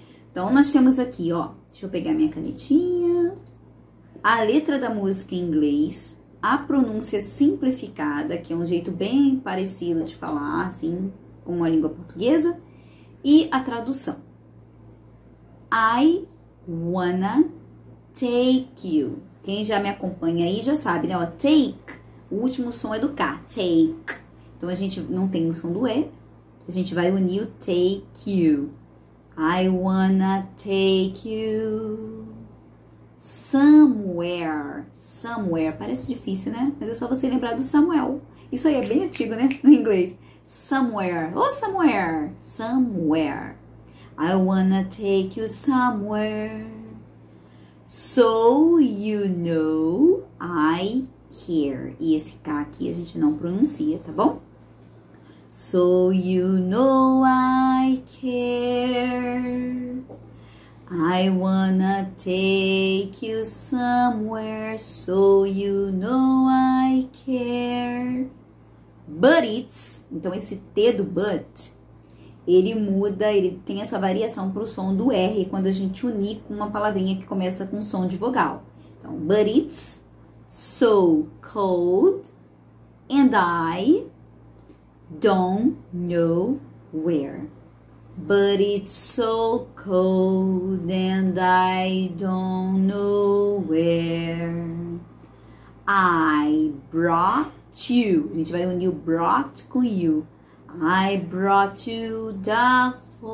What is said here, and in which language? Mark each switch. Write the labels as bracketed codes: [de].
[pt] Então, nós temos aqui, ó, deixa eu pegar minha canetinha, a letra da música em inglês, a pronúncia simplificada, que é um jeito bem parecido de falar, assim, com a língua portuguesa, e a tradução. [en] I wanna take you. [pt] Quem já me acompanha aí já sabe, né? Ó, take, o último som é do K, take. Então, a gente não tem o som do E, a gente vai unir o take you. [en] I wanna take you somewhere. [pt] Somewhere, parece difícil, né? Mas é só você lembrar do Samuel. Isso aí é bem antigo, né? No inglês. [en] Somewhere, oh, somewhere, somewhere. I wanna take you somewhere so you know I care. [pt] E esse K aqui a gente não pronuncia, tá bom? [en] So you know I care. I wanna take you somewhere so you know I care. But it's, [pt] então esse T do but, ele muda, ele tem essa variação para o som do R quando a gente unir com uma palavrinha que começa com som de vogal. [en] Então, but it's so cold and I don't know where. But it's so cold and I don't know where. I brought you. [pt] A gente vai unir o brought com you. [en] I brought you daffodils.